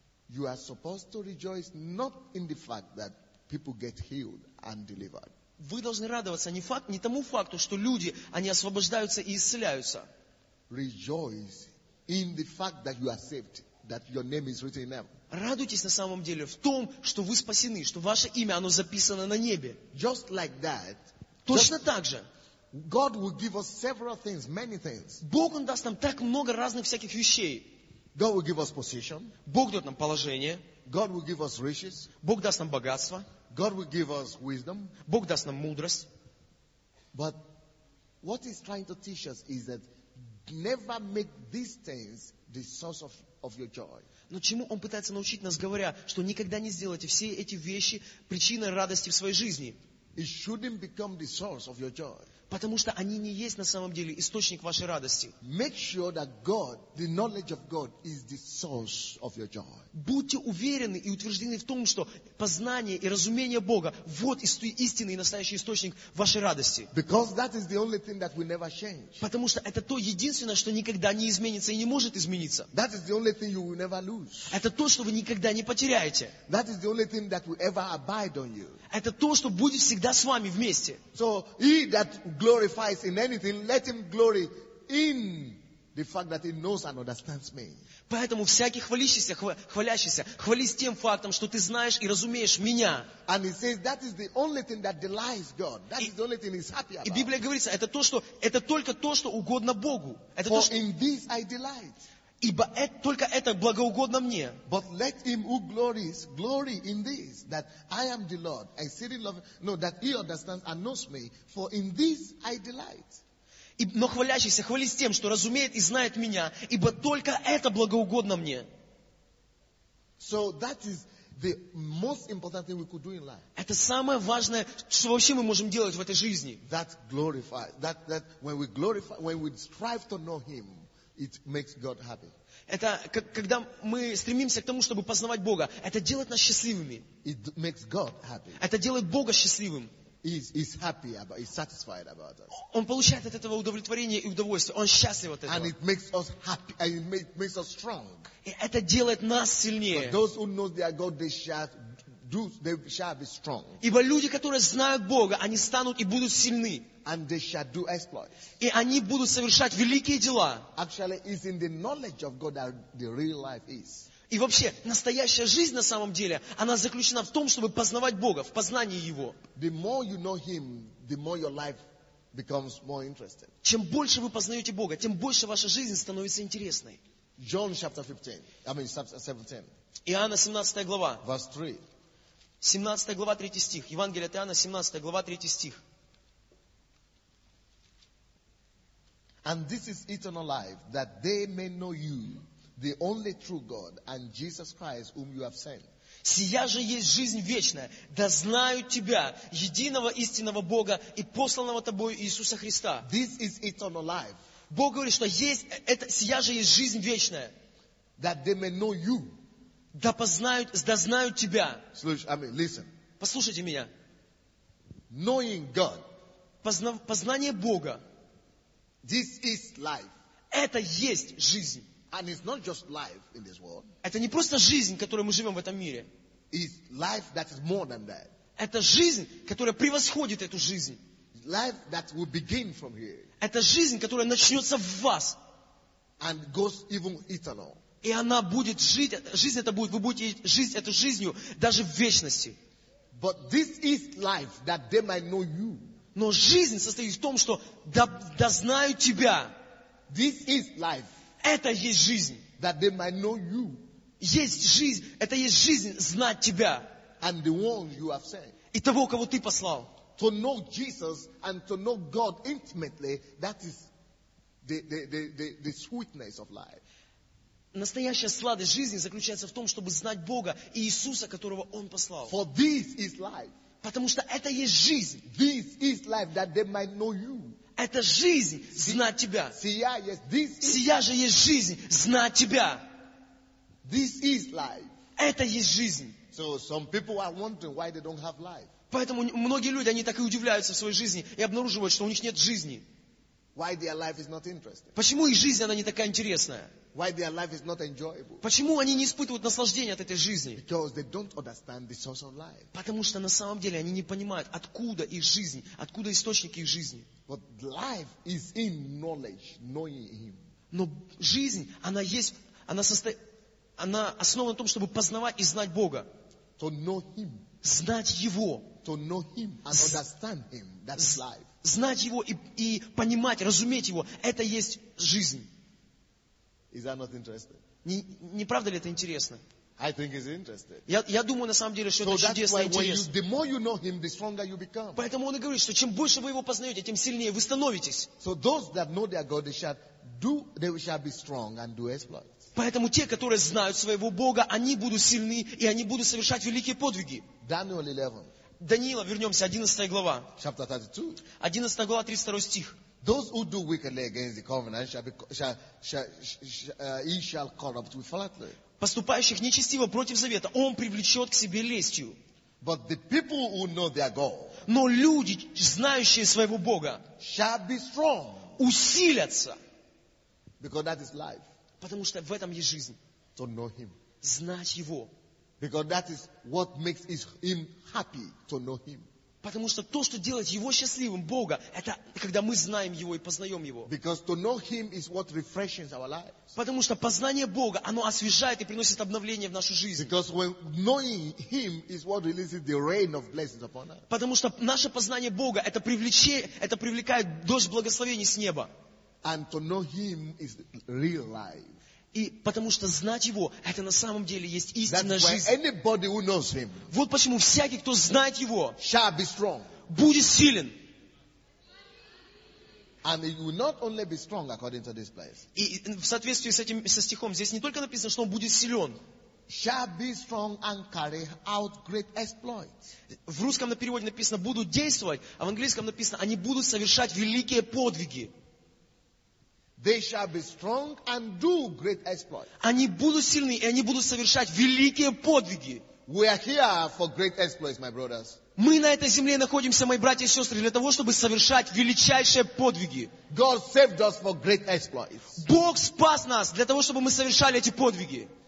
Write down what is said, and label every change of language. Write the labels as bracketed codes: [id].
[en] You are supposed to rejoice not in the fact that people get healed and delivered. [ru] Вы должны радоваться не тому факту, что люди они освобождаются и исцеляются. [en] Rejoice in the fact that you are saved, that your name is written in heaven. [ru] Радуйтесь на самом деле в том, что вы спасены, что ваше имя оно записано на небе. [en] Just like that. [ru] Точно так же. [en] God will give us several things, many things. [ru] Бог он даст нам так много разных всяких вещей. [en] God will give us position. [ru] Бог дает нам положение. [en] God will give us riches. [ru] Бог даст нам богатство. [en] God will give us wisdom. [ru] Бог даст нам мудрость. [en] But what he's trying to teach us is that never make these things the source of your joy. [ru] Но чему он пытается научить нас, говоря, что никогда не сделайте все эти вещи причиной радости в своей жизни. [en] It shouldn't become the source of your joy. [ru] Потому что они не есть на самом деле источник вашей радости. [en] Make sure that God, the knowledge of God, is the source of your joy. [ru] Будьте уверены и утверждены в том, что познание и разумение Бога – вот истинный и настоящий источник вашей радости. [en] Because that is the only thing that will never change. [ru] Потому что это то единственное, что никогда не изменится и не может измениться. [en] That is the only thing you will never lose. [ru] Это то, что вы никогда не потеряете. [en] That is the only thing that will ever abide on you. [ru] Это то, что будет всегда с вами вместе. [en] So he that glorifies in anything, let him glory in the fact that he knows and understands me. [ru] Поэтому всякий хвалящийся, хвались тем фактом, что ты знаешь и разумеешь меня. [en] And he says that is the only thing that delights God. That is the only thing he's happy about. [ru] И Библия говорит, это только то, что угодно Богу. Это [en] For [ru] то, что... [en] in this I delight. [ru] Ибо это, только это благоугодно мне. [en] But let him who glories glory in this, that I am the Lord. I see love. No, that he understands and knows me. For in this I delight. [ru] Но хвалящийся, хвались тем, что разумеет и знает меня, ибо только это благоугодно мне. [en] So that is the most important thing we could do in life. [ru] Это самое важное, что вообще мы можем делать в этой жизни. [en] That glorifies, that when we glorify, when we strive to know Him, it makes God happy. [ru] Это когда мы стремимся к тому, чтобы познавать Бога, это делает нас счастливыми. [en] It makes God happy. [ru] Это делает Бога счастливым. [en] He's happy about, he's satisfied about us. [ru] Он получает от этого удовлетворение и удовольствие. Он счастлив от этого. [en] And it makes us happy. And it makes us strong. [ru] И это делает нас сильнее. [en] But those who know their God, they shall be strong. [ru] Ибо люди, которые знают Бога, они станут и будут сильны. [en] And they shall do exploits. [ru] И они будут совершать великие дела. [en] Actually, it's in the knowledge of God that the real life is. [ru] И вообще, настоящая жизнь на самом деле, она заключена в том, чтобы познавать Бога, в познании Его. [en] The more you know Him, the more your life becomes more interesting. [ru] Чем больше вы познаете Бога, тем больше ваша жизнь становится интересной. [en] John chapter 15, I mean 17. [ru] Иоанна 17 глава. [en] Verse 3. [ru] 17 глава, 3 стих. Евангелие от Иоанна, 17 глава, 3 стих. [en] And this is eternal life, that they may know you, the only true God and Jesus Christ, whom you have sent. [ru] Сия же есть жизнь вечная, да знают тебя, единого истинного Бога и посланного тобою Иисуса Христа. [en] This is eternal life. [ru] Бог говорит, что есть это, сия же есть жизнь вечная. [en] That they may know you. [ru] Да познают, да знают тебя. Слушай, [en] I mean, listen. [ru] Послушайте меня. [en] Knowing God. [ru] Познание Бога. [en] This is life. [ru] Это есть жизнь. [en] And it's not just life in this world. [ru] Это не просто жизнь, которой мы живем в этом мире. [en] It's life that is more than that. [ru] Это жизнь, которая превосходит эту жизнь. [en] Life that will begin from here. [ru] Это жизнь, которая начнется в вас. [en] And goes even eternal. [ru] И она будет жить, жизнь это будет, вы будете жить эту жизнью даже в вечности. [en] But this is life that they might know you. [ru] Но жизнь состоит в том, что да знаю тебя. [en] This is life. [ru] Это есть жизнь. [en] That they might know you. [ru] Есть жизнь. Это есть жизнь знать тебя. [en] And the one you have sent. [ru] И того, кого ты послал. [en] To know Jesus and to know God intimately, that is the sweetness of life. [ru] Настоящая сладость жизни заключается в том, чтобы знать Бога и Иисуса, которого Он послал. [en] For this is life. [ru] Потому что это есть жизнь. [en] This is life that they might know you. [ru] Это жизнь знать тебя. Сия, [en] yes, this is... [ru] Сия же есть жизнь знать тебя. [en] This is life. [ru] Это есть жизнь. [en] So some people are wondering why they don't have life. [ru] Поэтому многие люди, они так и удивляются в своей жизни и обнаруживают, что у них нет жизни. [en] Why their life is not interesting? [ru] Почему их жизнь она не такая интересная? [en] Why their life is not enjoyable? [ru] Почему они не испытывают наслаждения от этой жизни? [en] Because they don't understand the source of life. [ru] Потому что на самом деле они не понимают, откуда их жизнь, откуда источник их жизни. [en] But life is in knowledge, knowing Him. [ru] Но жизнь, она есть, она основана на том, чтобы познавать и знать Бога. [en] To know Him. [ru] Знать Его. [en] To know Him and understand Him. That's life. [ru] Знать Его и понимать, разуметь Его. Это есть жизнь. [en] Is that not interesting? [ru] Не правда ли это интересно? [en] I think it's interesting. [ru] Я думаю на самом деле, что это чудесно и интересно. [en] The more you know Him, the stronger you become. [ru] Поэтому он и говорит, что чем больше вы его познаете, тем сильнее вы становитесь. [en] So those that know their God, they shall be strong and do exploits. [ru] Поэтому те, которые знают своего Бога, они будут сильны и они будут совершать великие подвиги. [en] Daniel 11. [ru] Даниила, вернемся, 11 глава. [en] Chapter 32. [ru] 11 глава, 32 стих. [en] Those who do wickedly against the covenant shall corrupt with flattery. [ru] Поступающих нечестиво против завета, он привлечет к себе лестью. [en] But the people who know their God, [ru] но люди, знающие своего Бога, [en] shall be strong, [ru] усилятся. [en] Because that is life. [ru] Потому что в этом есть жизнь. [en] To know Him. [ru] Знать Его. [en] Because that is what makes Him happy, to know Him. [ru] Потому что то, что делает его счастливым, Бога, это когда мы знаем его и познаем его. [en] Because to know him is what refreshes our lives. [ru] Потому что познание Бога, оно освежает и приносит обновление в нашу жизнь. [en] Because when knowing him is what releases the rain of blessings upon us. [ru] Потому что наше познание Бога, это привлекает дождь благословений с неба. [en] And to know him is real life. [ru] И потому что знать его, это на самом деле есть истинная [en] That's [ru] жизнь. [en] Anybody who knows him [ru] вот почему всякий, кто знает его, [en] shall be strong. [ru] Будет силен. [en] And he will not only be strong according to this place. [ru] И в соответствии с этим со стихом здесь не только написано, что он будет силен. [en] Shall be strong and carry out great exploits. [ru] В русском на переводе написано будут действовать, а в английском написано они будут совершать великие подвиги. [en] They shall be strong and do great exploits. [ru] Они будут сильны и они будут совершать великие подвиги. [en] We are here for great exploits, my brothers. [ru] Мы на этой земле находимся, мои братья и сестры, для того, чтобы совершать величайшие подвиги. [en] God saved us for great exploits. [ru] Бог спас нас для того, чтобы мы совершали эти подвиги.